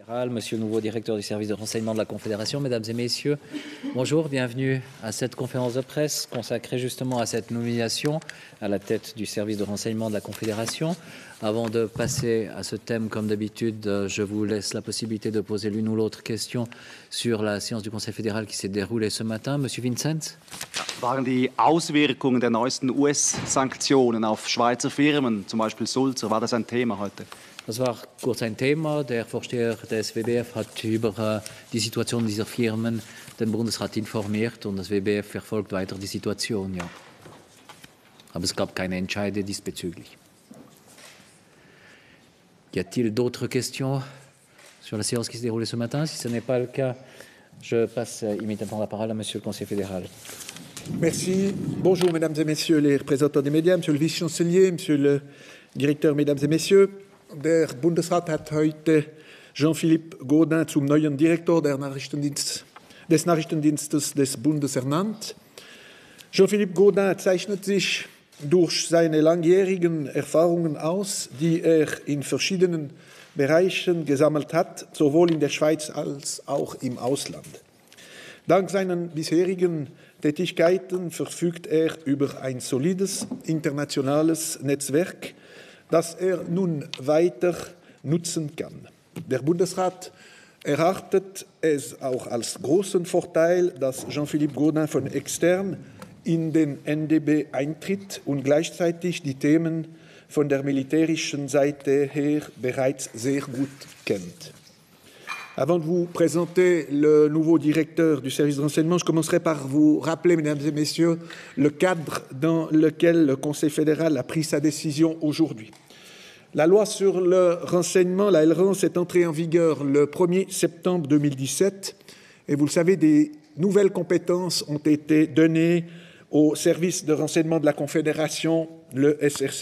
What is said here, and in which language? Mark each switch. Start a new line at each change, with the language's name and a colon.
French: Monsieur le nouveau directeur du service de renseignement de la Confédération, mesdames et messieurs, bonjour, bienvenue à cette conférence de presse consacrée justement à cette nomination à la tête du service de renseignement de la Confédération. Avant de passer à ce thème, comme d'habitude, je vous laisse la possibilité de poser l'une ou l'autre question sur la séance du Conseil fédéral qui s'est déroulée ce matin. Monsieur Vincent.
German: Waren die Auswirkungen der neuesten US-Sanktionen auf Schweizer Firmen, zum Beispiel Sulzer, war das ein Thema heute? Das war kurz ein Thema. Der Vorsteher des WBF hat über die Situation dieser Firmen den Bundesrat informiert und das WBF verfolgt weiter die Situation, ja. Aber es gab keine Entscheidung diesbezüglich.
French: Y a-t-il d'autres questions sur la séance qui s'est déroulée ce matin? Si ce n'est pas le cas, je passe immédiatement la parole à Monsieur le Conseiller fédéral. Merci. Bonjour, mesdames et messieurs les représentants des médias, monsieur le vice-chancelier, monsieur le directeur, mesdames et messieurs.
German: Der Bundesrat hat heute Jean-Philippe Gaudin zum neuen Direktor des Nachrichtendienstes des Bundes ernannt. Jean-Philippe Gaudin zeichnet sich durch seine langjährigen Erfahrungen aus, die er in verschiedenen Bereichen gesammelt hat, sowohl in der Schweiz als auch im Ausland. Dank seinen bisherigen Tätigkeiten verfügt er über ein solides internationales Netzwerk, das er nun weiter nutzen kann. Der Bundesrat erachtet es auch als großen Vorteil, dass Jean-Philippe Gaudin von extern in den NDB eintritt und gleichzeitig die Themen von der militärischen Seite her bereits sehr gut kennt.
French: Avant de vous présenter le nouveau directeur du service de renseignement, je commencerai par vous rappeler, mesdames et messieurs, le cadre dans lequel le Conseil fédéral a pris sa décision aujourd'hui. La loi sur le renseignement, la LRENS, est entrée en vigueur le 1er septembre 2017 et vous le savez, des nouvelles compétences ont été données au service de renseignement de la Confédération, le SRC.